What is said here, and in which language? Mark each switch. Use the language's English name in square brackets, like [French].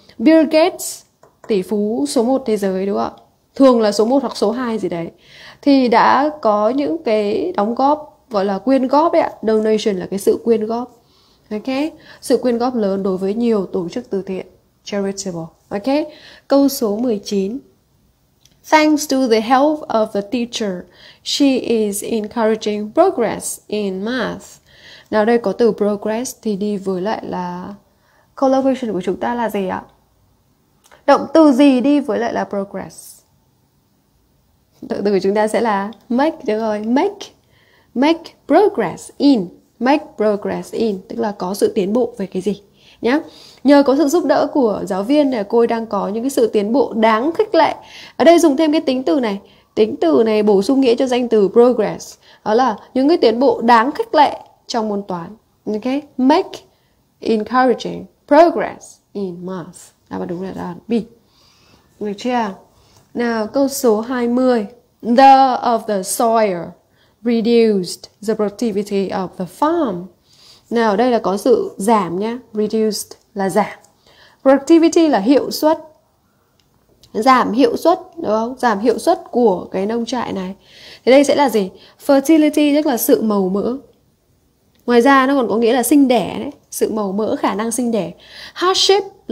[Vietnamese] Bill Gates, tỷ phú số 1 thế giới đúng không ạ? Thường là số 1 hoặc số 2 gì đấy. Thì đã có những cái đóng góp gọi là quyên góp ấy ạ. Donation là cái sự quyên góp. Ok, sự quyên góp lớn đối với nhiều tổ chức từ thiện charitable. Ok, câu số 19. [English] Thanks to the help of the teacher, she is encouraging progress in math. [Vietnamese] Nào đây có từ progress thì đi với lại là collaboration của chúng ta là gì ạ? Động từ gì đi với lại là progress? Động từ của chúng ta sẽ là make, được rồi, make progress in. Make progress in, tức là có sự tiến bộ về cái gì nhá. Nhờ có sự giúp đỡ của giáo viên này, cô ấy đang có những cái sự tiến bộ đáng khích lệ. Ở đây dùng thêm cái tính từ này bổ sung nghĩa cho danh từ progress, đó là những cái tiến bộ đáng khích lệ trong môn toán. Ok, [English] make encouraging progress in math. [Vietnamese] Đáp án đúng là đáp án B. Được chưa? Nào, câu số 20. [English] The soil reduced the productivity of the farm. [Vietnamese] Nào đây là có sự giảm nhá, reduced là giảm. Productivity là hiệu suất. Giảm hiệu suất đúng không? Giảm hiệu suất của cái nông trại này. Thì đây sẽ là gì? Fertility tức là sự màu mỡ. Ngoài ra nó còn có nghĩa là sinh đẻ đấy, sự màu mỡ, khả năng sinh đẻ. Hardship